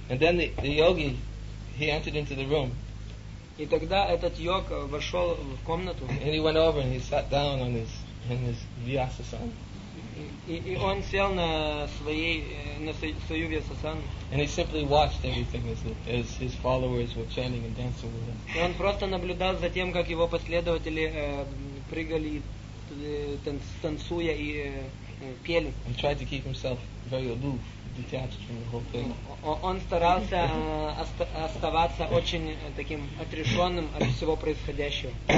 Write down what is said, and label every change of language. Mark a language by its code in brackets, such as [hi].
[en] And then the yogi, he entered into the room. [ru] И тогда этот йог вошел в комнату. [en] And he went over and he sat down on his vyasasan. [ru] И он сел на свою вьясасану. [en] And he simply watched everything as his followers were chanting and dancing with him. [ru] И он просто наблюдал за тем, как его последователи прыгали, танцуя и пели. [en] And tried to keep himself very aloof, detached from the whole thing. [ru] Он старался оставаться очень таким отрешенным от всего происходящего.